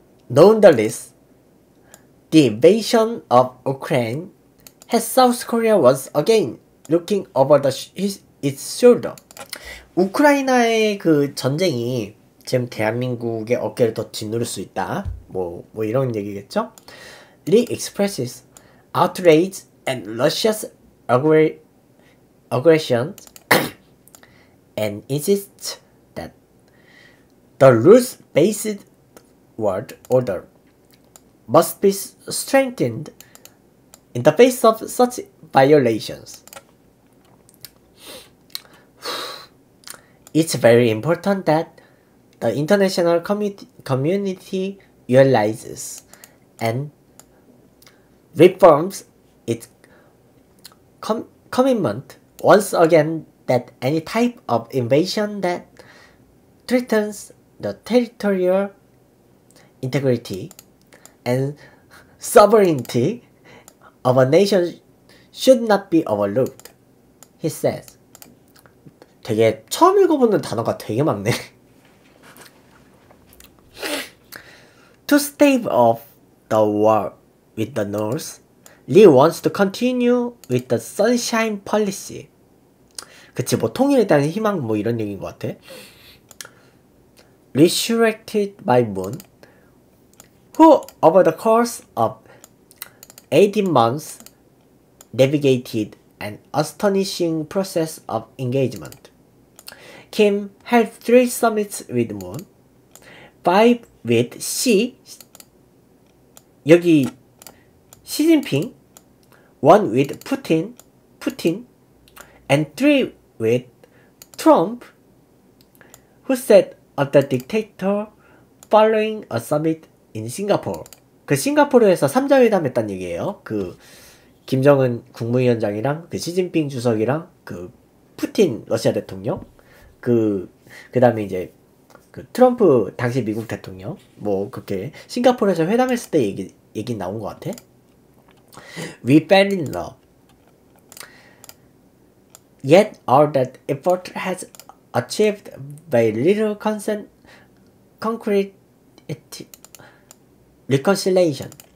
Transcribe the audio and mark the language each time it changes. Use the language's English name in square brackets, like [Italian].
[English] Nonetheless, the invasion of Ukraine has South Korea once again looking over the sh its shoulder. [Korean] 우크라이나의 그 전쟁이 지금 대한민국의 어깨를 더 짓누를 수 있다. 뭐 이런 얘기겠죠? [English] Lee expresses outrage and Russia's aggressions and insists that rules based world order must be strengthened in the face of such violations. It's very important that the international community realizes and reforms its commitment once again that any type of invasion that threatens the territorial integrity and sovereignty of a nation should not be overlooked, he says. [Korean] 되게 처음 읽어보는 단어가 되게 많네. [English] To stave off the war with the North, Lee wants to continue with the Sunshine Policy. [Korean] 그치, 뭐 통일에 대한 희망 뭐 이런 얘기인 것 같아. [English] Resurrected by Moon, who over the course of 18 months navigated an astonishing process of engagement. Kim held 3 summits with Moon, 5 with Xi, [Korean] 여기 시진핑, [English] 1 with Putin, and 3 with Trump, who said of the dictator following a summit in Singapore. [Korean] 그 싱가포르에서 3자회담 했단 얘기예요. 그 김정은 국무위원장이랑 그 시진핑 주석이랑 그 푸틴 러시아 대통령, 그 다음에 이제 그 트럼프 당시 미국 대통령, 뭐 그렇게 싱가포르에서 회담했을 때 얘기 나온 것 같아. [English] We fell in love. Yet all that effort has achieved very little concrete reconciliation.